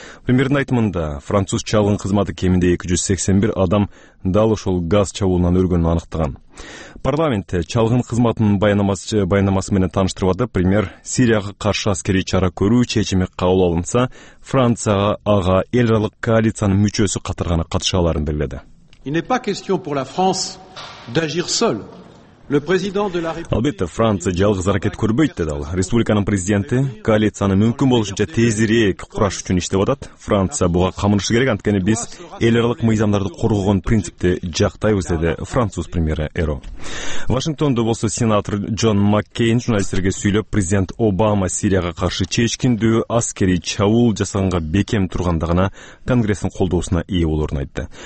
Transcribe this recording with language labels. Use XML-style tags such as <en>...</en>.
<ky>Премьердин айтымында француз чалгын кызматы кеминде 281 адам дал ошол газ чабуулунан өлгөнүн аныктаган. Парламентте чалгын кызматынын баяндамасы менен тааныштырып атып, премьер Сирияга каршы аскерий чара көрүү чечими кабыл алынса, Францияга ага эл аралык коалициянын мүчөсү катарганы катыша аларын белгиледи.</ky> <fr>Il n'est pas question pour la France d'agir seule. Le président de la République.</fr> <ky>Албетте, Франция жалгыз аракет көрбөйт деди ал. Республиканын президенти коалицияны мүмкүн болушунча тезирээк кураш үчүн иштеп атат. Франция буга камынышы керек, анткени биз эл аралык мыйзамдарды коргогон принципти жактайбыз деди француз премьери Эро. Вашингтондо болсо сенатор Джон Маккейн журналисттерге сүйлөп, президент Обама Сирияга каршы чечкиндүү аскерий чабуул жасаганга бекем тургандыгына Конгресстин колдоосуна ээ болорун айтты.</ky>